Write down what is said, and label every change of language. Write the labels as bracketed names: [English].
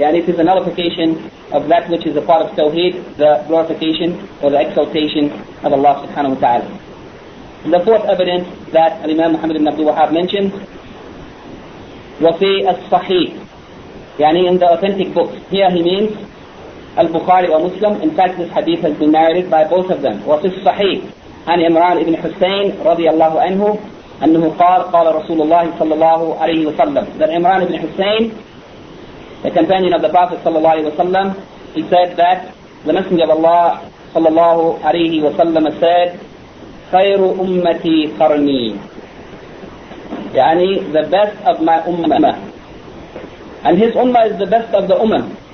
[English] And it is a nullification of that which is a part of tawheed, the glorification or the exaltation of Allah subhanahu wa ta'ala. And the fourth evidence that Imam Muhammad ibn Abdul Wahhab mentioned, [Arabic] وَفِي الصَّحِيحِ, [English] yani in the authentic books. Here he means Al-Bukhari or Muslim. In fact, this hadith has been narrated by both of them. [Arabic] وفي الصحيح عن إمران ابن حسين رضي الله عنه أنه قال قال رسول الله صلى الله عليه وسلم. [English] That Imran ibn Hussein, the companion of the Prophet صلى الله عليه وسلم, he said that the Messenger of Allah صلى الله عليه وسلم said, [Arabic] خير أمتي قرني. [English] يعني the best of my ummah. And his ummah is the best of the ummah.